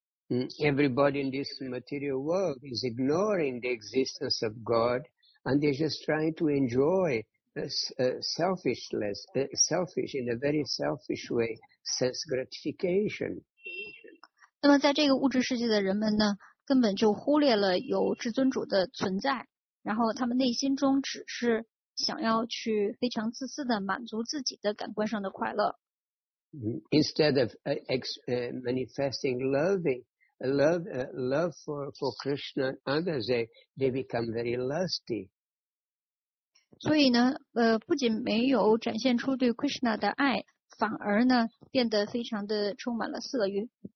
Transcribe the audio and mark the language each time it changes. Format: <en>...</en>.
<en>Everybody in this material world is ignoring the existence of God, and they're just trying to enjoy selfish in a very selfish way, sense gratification.</en> <zh>那么在这个物质世界的人们呢，根本就忽略了有至尊主的存在，然后他们内心中只是想要去非常自私的满足自己的感官上的快乐。</zh> <en>Instead of manifesting love for Krishna and others, they become very lusty.</en> <zh>所以呢，不仅没有展现出对 Krishna 的爱，反而呢，变得非常的充满了色欲。</zh>